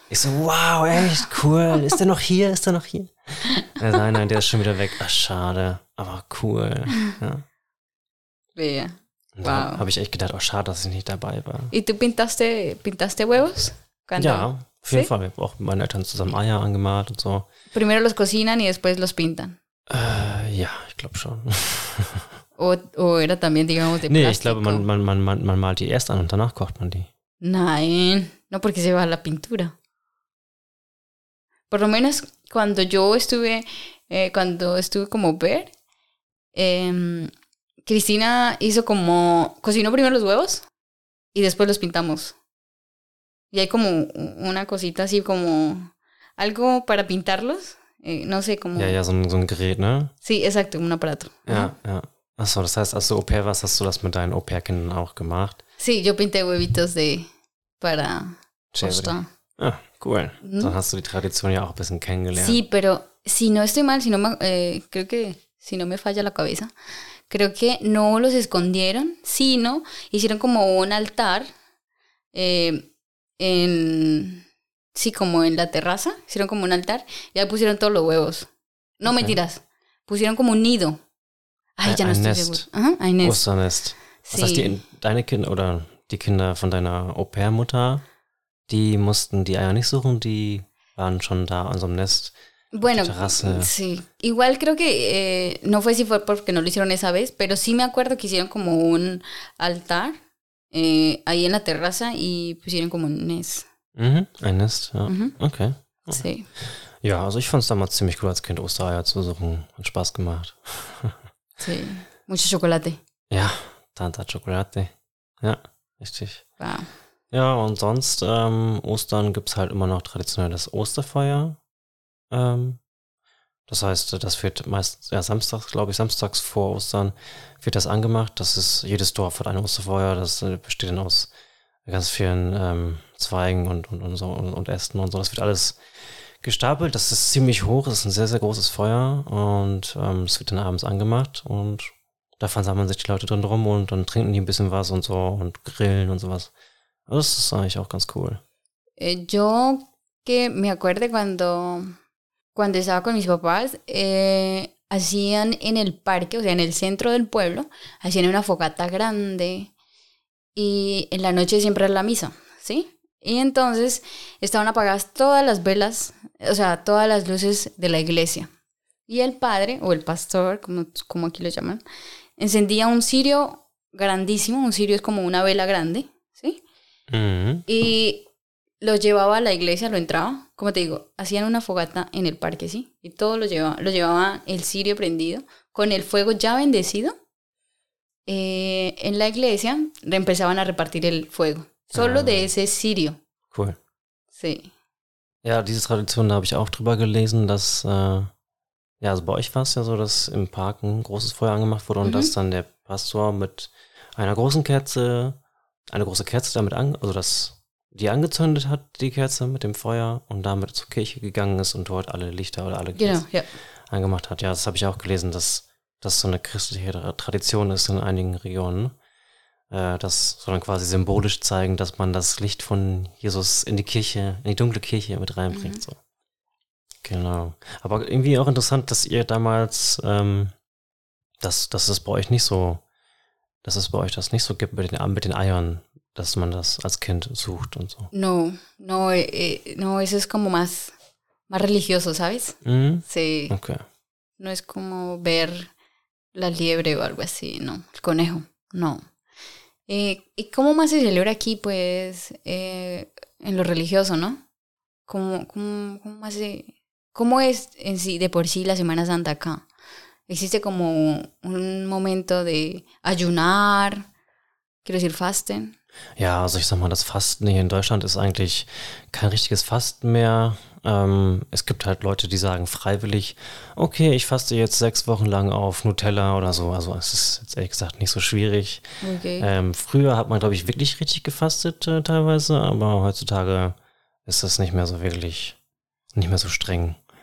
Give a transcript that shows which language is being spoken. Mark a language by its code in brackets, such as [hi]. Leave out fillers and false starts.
[de] Ich so, wow, echt cool. Ist der noch hier? Ist der noch hier? Nein, nein, der ist schon wieder weg. Ach, schade. Aber cool. Ja. Wehe. Und wow. Habe ich echt gedacht, oh, schade, dass ich nicht dabei war. Und du [es] pintaste huevos? Cuando? [de] Ja, auf jeden Fall. Ich habe auch mit meinen Eltern zusammen Eier angemalt und so. [es] Primero los cocinan y después los pintan. [de] Ja, ich glaube schon. [es] Oder también, digamos, de [de] nee, plástico. Ich glaube, man malt die erst an und danach kocht man die. [es] Nein, no porque se va la pintura. Por lo menos cuando yo estuve, cuando estuve como ver, Cristina hizo como, cocinó primero los huevos y después los pintamos. Y hay como una cosita así como algo para pintarlos, no sé, como... [de] Ja, ja, so ein Gerät, ne? [es] Sí, exacto, un aparato. [de] Ja, ja. Achso, das heißt, als du Au-pair warst, hast du das mit deinen Au-pair-Kindern auch gemacht? [es] Sí, yo pinté huevitos de para Costa. Ah, cool. Mm. [de] Dann hast du die Tradition ja auch ein bisschen kennengelernt. [es] Sí, pero si no estoy mal, creo que si no me falla la cabeza, creo que no los escondieron, sino hicieron como un altar en sí, como en la terraza, hicieron como un altar y ahí pusieron todos los huevos. No, okay. Mentiras, pusieron como un nido. Ay, ja, [de] ein Nest. Osternest. Sí. Das heißt, deine Kinder oder die Kinder von deiner Au-pair-Mutter, die mussten die Eier nicht suchen, die waren schon da an so einem Nest. [es] Bueno, [de] die Terrasse. [es] Sí. Igual creo que no fue si fue porque no lo hicieron esa vez, pero sí me acuerdo que hicieron como un altar ahí en la terraza y pusieron como un Nest. [de] Mhm, ein Nest, ja. Mhm. Okay. [es] Sí. [de] Ja, also ich fand es damals ziemlich cool, als Kind Ostereier zu suchen. Hat Spaß gemacht. [es] Sí, mucho chocolate. [de] Ja, [es] tanta chocolate. [de] Ja, richtig. Wow. Ja, und sonst, Ostern gibt es halt immer noch traditionell das Osterfeuer. Das heißt, das wird meistens, ja, samstags, glaube ich, samstags vor Ostern wird das angemacht. Das ist, jedes Dorf hat ein Osterfeuer. Das besteht dann aus ganz vielen Zweigen und so und Ästen und so. Das wird alles gestapelt, das ist ziemlich hoch, es ist ein sehr, sehr großes Feuer und es wird dann abends angemacht und da versammeln sich die Leute drin rum und dann trinken die ein bisschen was und so und grillen und sowas. Also das ist eigentlich auch ganz cool. [es] Yo que me acuerde cuando estaba con mis papás, hacían en el parque, o sea, en el centro del pueblo, hacían una fogata grande y en la noche siempre era la misa, ¿sí? Y entonces estaban apagadas todas las velas, o sea, todas las luces de la iglesia. Y el padre, o el pastor, como aquí lo llaman, encendía un cirio grandísimo. Un cirio es como una vela grande, ¿sí? Uh-huh. Y lo llevaba a la iglesia, lo entraba. Como te digo, hacían una fogata en el parque, ¿sí? Y todo lo llevaba el cirio prendido, con el fuego ya bendecido. En la iglesia empezaban a repartir el fuego. Solo de ese sirio. Cool. Sí. [de] Ja, diese Tradition, da habe ich auch drüber gelesen, dass, ja, also bei euch war es ja so, dass im Park ein großes Feuer angemacht wurde und dass dann der Pastor mit einer großen Kerze, eine große Kerze damit angezündet hat, die Kerze mit dem Feuer und damit zur Kirche gegangen ist und dort alle Lichter oder alle Kerzen angemacht hat. Ja, das habe ich auch gelesen, dass das so eine christliche Tradition ist in einigen Regionen. Das soll dann quasi symbolisch zeigen, dass man das Licht von Jesus in die Kirche, in die dunkle Kirche mit reinbringt. Mhm. So. Genau. Aber irgendwie auch interessant, dass ihr damals, dass es bei euch das nicht so gibt mit den Eiern, dass man das als Kind sucht und so. [es] No, no, no, [de] es ist [es] como más religioso, ¿sabes? Mhm. Sí. Okay. No es como ver la liebre o algo así, no, el conejo, no. ¿Y cómo más se celebra aquí, pues, en lo religioso, no? ¿Cómo es en sí, de por sí, la Semana Santa acá? ¿Existe como un momento de ayunar? Quiero decir, fasten. [de] Ja, also ich sag mal, das Fasten hier in Deutschland ist eigentlich kein richtiges Fasten mehr. Es gibt halt Leute, die sagen freiwillig, okay, ich faste jetzt 6 Wochen lang auf Nutella oder so. Also es ist jetzt ehrlich gesagt nicht so schwierig. Okay. Früher hat man, glaube ich, wirklich richtig gefastet teilweise, aber heutzutage ist das nicht mehr so wirklich, nicht mehr so streng.